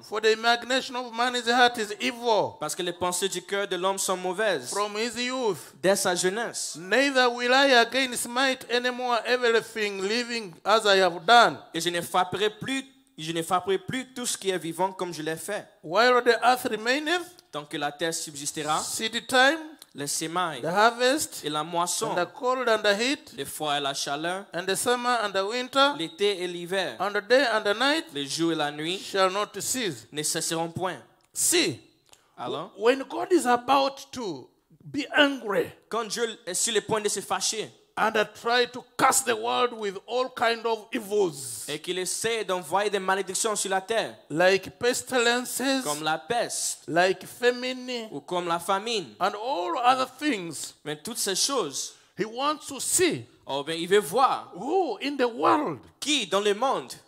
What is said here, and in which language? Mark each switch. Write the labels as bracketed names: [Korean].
[English] For the imagination of man's heart is evil. [French] Parce que les pensées du cœur de l'homme sont mauvaises. [English] From his youth. [French] Dès sa jeunesse. [English] Neither will I again smite anymore everything living as I have done. [French] Et je ne frapperai plus tout ce qui est vivant comme je l'ai fait. [English] While the earth remaineth, [French] tant que la terre subsistera, [English] seed time, [French] les semailles, [English] the harvest, [French] et la moisson, [English] and the cold and the heat, [French] le froid et la chaleur, [English] and the summer and the winter, [French] l'été et l'hiver, [English] and the day and the night, [French] le jour et la nuit, [English] shall not cease, [French] ne cesseront point. [English] See, [French] alors, [English] when God is about to be angry, [French] quand Dieu est sur le point de se fâcher. [English] And I try to curse the world with all kind of evils. [French] Et qu'il essaie d'envoyer des malédictions sur la terre. [English] Like pestilences. [French] Comme la peste. [English] Like famine. [French] Ou comme la famine. [English] And all other things. [French] Mais toutes ces choses. [English] He wants to see. [French] Oh, ben il veut voir. [English] Who in the world. [French] Qui dans le monde.